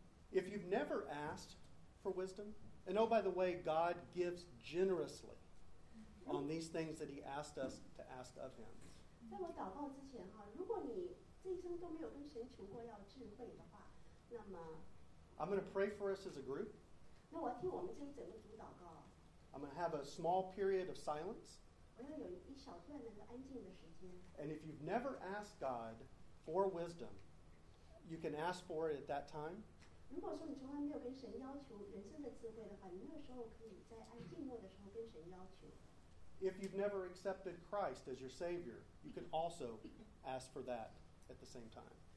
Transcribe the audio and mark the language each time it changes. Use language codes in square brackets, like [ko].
[en] If you've never asked for for wisdom. And oh, by the way, God gives generously on these things that he asked us to ask of him. [zh] 在我祷告之前,如果你这一生都没有跟神求过要智慧的话,那么... [en] I'm going to pray for us as a group. [zh] 那我替我们这一整个组祷告。 [en] I'm going to have a small period of silence. [zh] 我要有一小段的安静的时间。 [en] And if you've never asked God for wisdom, you can ask for it at that time. [zh] 如果说你从来没有跟神要求人生的智慧的话，你那个时候可以在安静默的时候跟神要求。 [en] If you've never accepted Christ as your Savior, you can also ask for that at the same time.